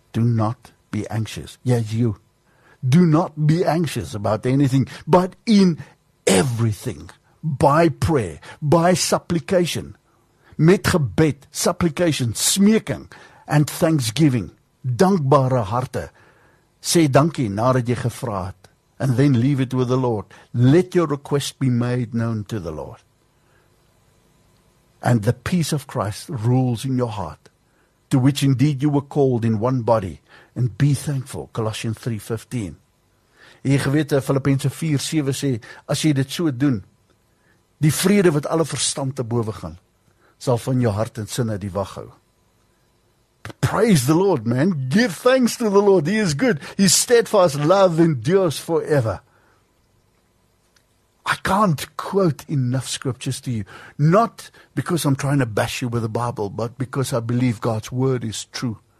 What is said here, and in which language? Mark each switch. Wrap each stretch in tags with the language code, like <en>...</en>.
<en>Do not be anxious. Yeah, you. Do not be anxious about anything, but in everything, by prayer, by supplication,</en> <af>met gebed,</af> <en>supplication, smeking, and thanksgiving.</en> <af>Dankbare harte. Say dankie nadat jy gevra het.</af> <en>And then leave it with the Lord. Let your request be made known to the Lord. And the peace of Christ rules in your heart, to which indeed you were called in one body. And be thankful. Colossians 3:15.</en> <af>Jy geweet, Filippense 4:7 sê, as jy dit so doen, die vrede wat alle verstand te boven gaan, sal van jou hart en sinne die wag hou.</af> <en>Praise the Lord, man. Give thanks to the Lord. He is good. His steadfast love endures forever. I can't quote enough scriptures to you. Not because I'm trying to bash you with the Bible, but because I believe God's word is true.</en>